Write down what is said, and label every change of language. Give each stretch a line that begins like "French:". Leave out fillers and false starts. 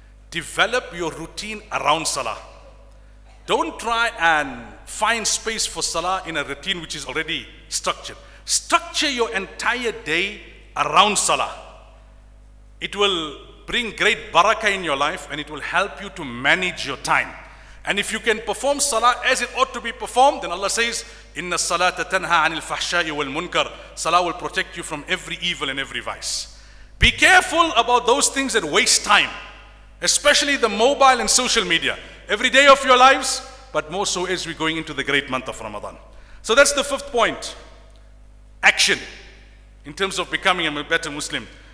English: Develop your routine around Salah. Don't try and find space for Salah in a routine which is already structured. Structure your entire day around Salah. It will bring great barakah in your life and it will help you to manage your time. And if you can perform salah as it ought to be performed, then Allah says,
Arabic: إن الصلاة تنهى عن الفحشاء والمنكر.
English: Salah will protect you from every evil and every vice. Be careful about those things that waste time, especially the mobile and social media, every day of your lives, but more so as we're going into the great month of Ramadan. So that's the fifth point, action, in terms of becoming a better Muslim.